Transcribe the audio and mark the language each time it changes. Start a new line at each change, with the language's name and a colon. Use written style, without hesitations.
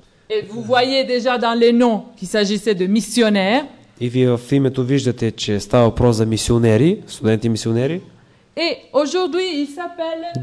French: Et vous voyez déjà dans les noms qu'il s'agissait de missionnaires.
Bulgarian: И вие в името виждате, че става въпрос за мисионери, студенти мисионери.
French: Et aujourd'hui, il s'appelle.